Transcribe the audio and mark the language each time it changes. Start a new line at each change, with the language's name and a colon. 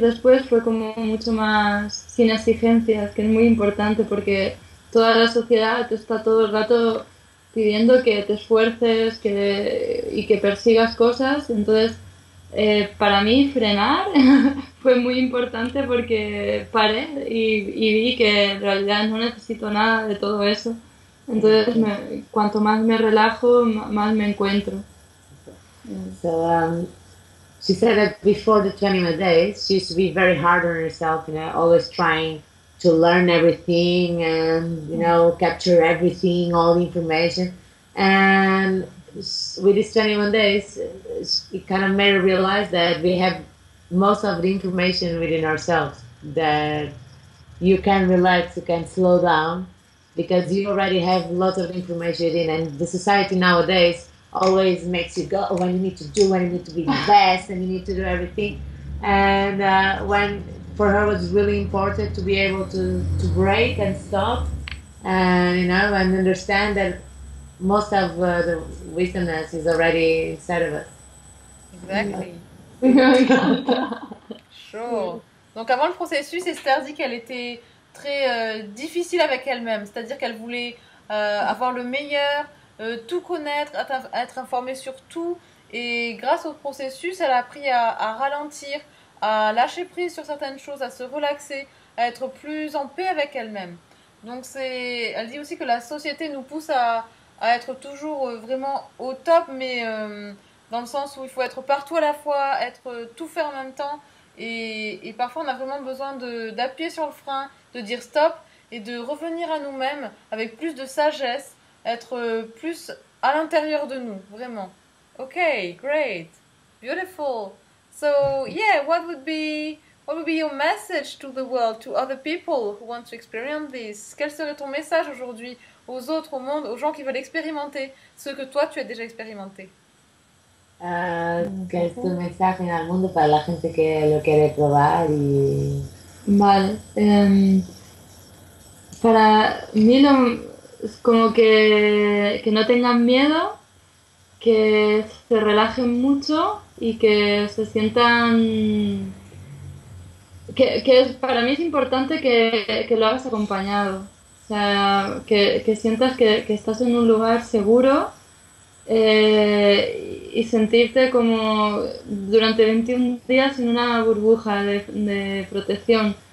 Spanish: Después fue como mucho más sin exigencias, que es muy importante porque toda la sociedad está todo el rato pidiendo que te esfuerces y que persigas cosas. Entonces, para mí frenar fue muy importante porque paré y vi que en realidad no necesito nada de todo eso. Entonces, cuanto más me relajo, más me encuentro.
English: So, she said that before the 21 days, she used to be very hard on herself, you know, always trying to learn everything and, you know, capture everything, all the information. And with these 21 days, it kind of made her realize that we have most of the information within ourselves, that you can relax, you can slow down, because you already have lots of information in. And the society nowadays always makes you go, when you need to do, when you need to be best, and you need to do everything. And when... For her, it was really important to be able to break and stop, and you know, and understand that most of the wisdom is already inside of us. Exactly. Sure.
French: Donc avant le processus, Esther dit qu'elle était très difficile avec elle-même, c'est-à-dire qu'elle voulait avoir le meilleur, tout connaître, être informée sur tout, et grâce au processus, elle a appris à ralentir, à lâcher prise sur certaines choses, à se relaxer, à être plus en paix avec elle-même. Donc elle dit aussi que la société nous pousse à être toujours vraiment au top, mais dans le sens où il faut être partout à la fois, être tout faire en même temps, et parfois on a vraiment besoin d'appuyer sur le frein, de dire stop, et de revenir à nous-mêmes avec plus de sagesse, être plus à l'intérieur de nous, vraiment.
English: Ok, great. beautiful. So yeah, what would be your message to the world, to other people who want to experience this?
French: Quel serait ton message aujourd'hui aux autres, au monde, aux gens qui veulent expérimenter ce que toi tu as déjà expérimenté? Quel est ton message au monde pour
Spanish: la gente que lo quiere probar y... Vale. Para mí lo, es como que no tengan miedo, que se relajen mucho y que se sientan... para mí es importante que lo hagas acompañado. O sea, que sientas que estás en un lugar seguro, y sentirte como durante 21 días en una burbuja de protección.